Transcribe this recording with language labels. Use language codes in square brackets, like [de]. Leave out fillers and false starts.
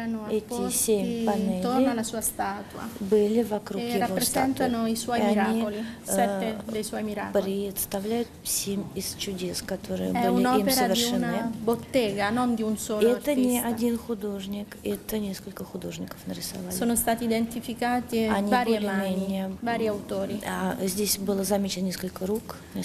[ru] Эти семь панелей были вокруг его статуи. И они представляют семь из чудес, которые были им совершены. Это не один художник, это несколько художников нарисовали. [it] Sono stati identificati varie mani, vari autori. [ru] Здесь было замечено несколько рук.